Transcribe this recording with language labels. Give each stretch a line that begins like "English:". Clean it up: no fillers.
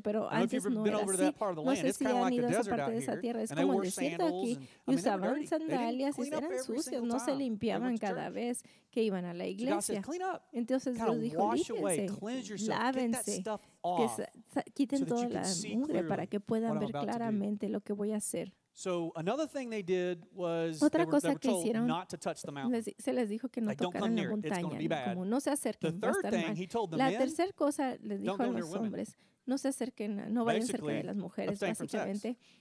Spanish: Pero antes no era así. No sé si han ido a esa parte de esa tierra. Es como el desierto aquí. Y usaban sandalias. Eran sucios. No se limpiaban cada vez que iban a la iglesia. Entonces Dios dijo, límpiense, lávense. Que quiten toda la mugre para que puedan ver claramente lo que voy a hacer.
English: So another thing they did was they were told not to touch the mountain.
Spanish: Se les dijo que no tocaran la montaña, como no se acerquen, va a estar mal. La tercera cosa le dijo a los hombres, no se acerquen, no vayan cerca de las mujeres, básicamente.